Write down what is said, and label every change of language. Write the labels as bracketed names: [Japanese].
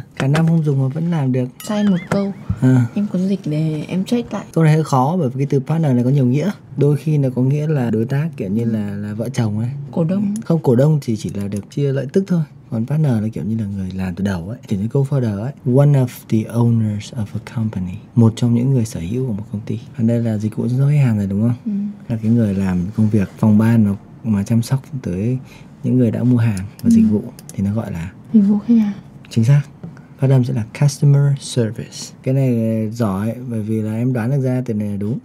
[Vietnamese] Cả năm không dùng mà vẫn làm được. Sai một câu. À. Em có dịch để em check lại. Câu này hơi khó bởi vì cái từ partner này có nhiều nghĩa. Đôi khi nó có nghĩa là đối tác, kiểu như là vợ chồng ấy. Cổ đông. Không, cổ đông thì chỉ là được chia lợi tức thôi. Còn partner là kiểu như là người làm từ đầu ấy. Thì như co-founder ấy. [English] One of the owners of a company. [Vietnamese] Một trong những người sở hữu của một công ty. Ở đây là dịch vụ cho khách hàng rồi đúng không? Ừ. Là cái người làm công việc phòng ban mà chăm sóc tới những người đã mua hàng và dịch vụ thì nó gọi là dịch vụ khách hàng. Chính xác. Phát âm sẽ là customer service. Cái này giỏi bởi vì là em đoán được ra từ này là đúng.